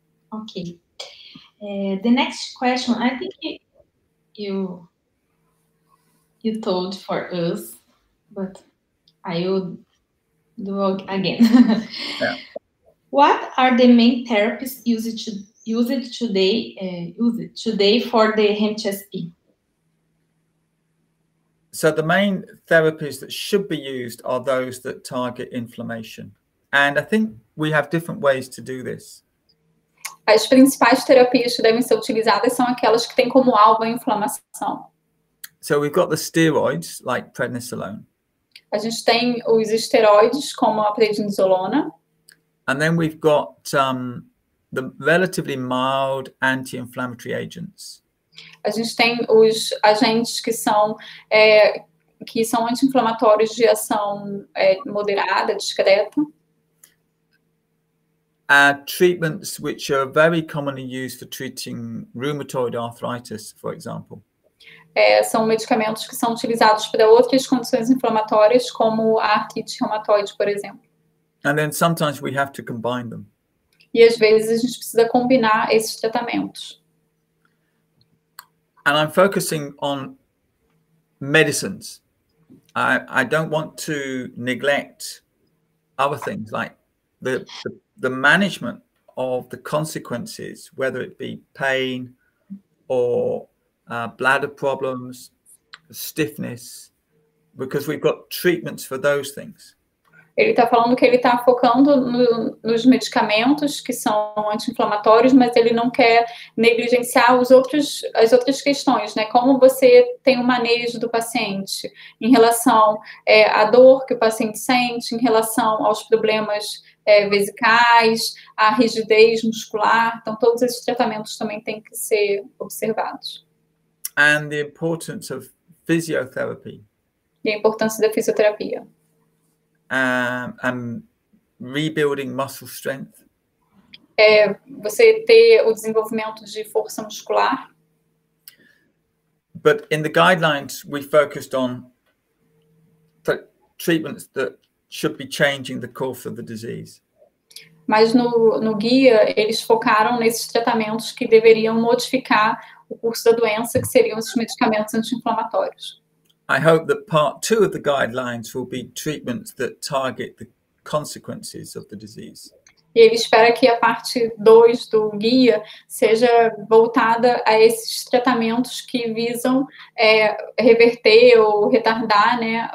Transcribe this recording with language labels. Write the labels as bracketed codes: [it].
[en] Ok. The next question, I think you told for us, but I will do again. Yeah. What are the main therapies used today for the HMCSP? So the main therapies that should be used are those that target inflammation. And I think we have different ways to do this. [pt] As principais terapias que devem ser utilizadas são aquelas que têm como alvo a inflamação. [en] So we've got the steroids, like prednisolone. [pt] A gente tem os esteroides, como a prednisolona. [en] And then we've got the relatively mild anti-inflammatory agents. [pt] A gente tem os agentes que são anti-inflamatórios de ação moderada, discreta. [en] Treatments which are very commonly used for treating rheumatoid arthritis, for example. [pt] São medicamentos que são utilizados para outras condições inflamatórias, como a artrite reumatoide, por exemplo. [en] And then sometimes we have to combine them. [pt] E às vezes a gente precisa combinar esses tratamentos. [en] And I'm focusing on medicines. I don't want to neglect other things, like the management of the consequences, whether it be pain or bladder problems, stiffness, because we've got treatments for those things. [pt] Ele está falando que ele está focando nos medicamentos que são anti-inflamatórios, mas ele não quer negligenciar as outras questões, né? Como você tem o manejo do paciente em relação à dor que o paciente sente, em relação aos problemas vesicais, à rigidez muscular. Então, todos esses tratamentos também têm que ser observados. [en] And the importance of physiotherapy. [pt] E a importância da fisioterapia. [en] And rebuilding muscle strength. [pt] Você ter o desenvolvimento de força muscular. [en] But in the guidelines, we focused on treatments that should be changing the course of the disease. [pt] Mas no guia, eles focaram nesses tratamentos que deveriam modificar o curso da doença, que seriam esses medicamentos anti-inflamatórios. [en] I hope that part two of the guidelines will be treatments that target the consequences of the disease. [pt] E ele espera que a parte 2 do guia seja voltada a esses tratamentos que visam reverter ou retardar, né?